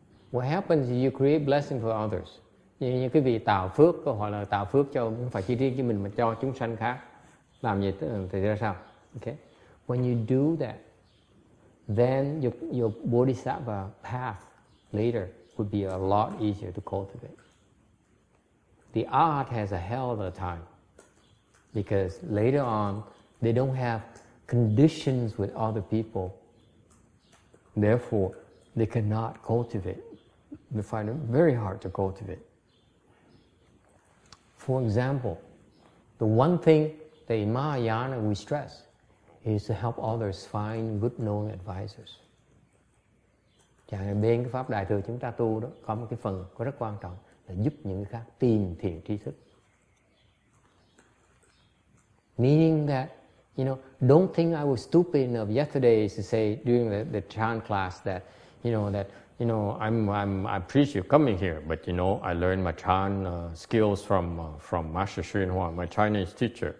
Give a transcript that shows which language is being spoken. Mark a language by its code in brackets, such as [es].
[en] What happens is you create blessing for others. [vi] Như cái vị tạo phước, hoặc là tạo phước cho không phải chỉ riêng cho mình mà cho chúng sanh khác. Làm gì thì ra sao? Okay. [en] When you do that, then your bodhisattva path later would be a lot easier to cultivate. The art has a hell of a time because later on they don't have conditions with other people. Therefore, they cannot cultivate. They find it very hard to cultivate. For example, the one thing that in Mahayana we stress is to help others find good knowing advisors. [vi] Chẳng hạn bên cái pháp đại thừa chúng ta tu đó có một cái phần có rất quan trọng là giúp những người khác tìm thiện tri thức. [en] Meaning that, you know, don't think I was stupid enough yesterday to say during the chant class that, you know, that, you know, I appreciate you coming here, but you know, I learned my Chan skills from Master Xuyên Hoa, my Chinese teacher.